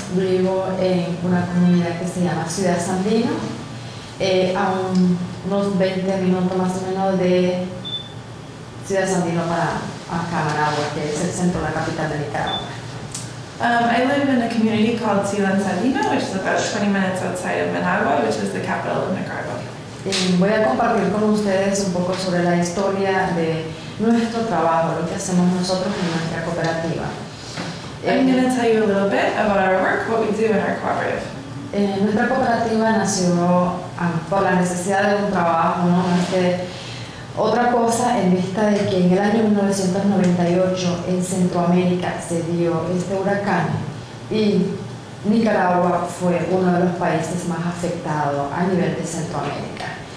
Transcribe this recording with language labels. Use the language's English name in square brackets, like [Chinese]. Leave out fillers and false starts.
[Spanish] Vivo en una comunidad que se llama Ciudad Sandino, a unos 20 minutos más o menos de Ciudad Sandino para Managua, que es el centro de la capital de Nicaragua. [English] I live in a community called Ciudad Sandino, which is about 20 minutes outside of Managua, which is the capital of Nicaragua. [Spanish] Voy a compartir con ustedes un poco sobre la historia de nuestro trabajo, lo que hacemos nosotros en nuestra cooperativa. [English] I'm going to tell you a little bit about our work, what we do in our cooperative. [Spanish] Nuestra cooperativa nació por la necesidad de un trabajo, ¿no? Más que otra cosa, en vista de que en el año 1998 en Centroamérica se dio este huracán y Nicaragua fue uno de los países más afectados a nivel de Centroamérica.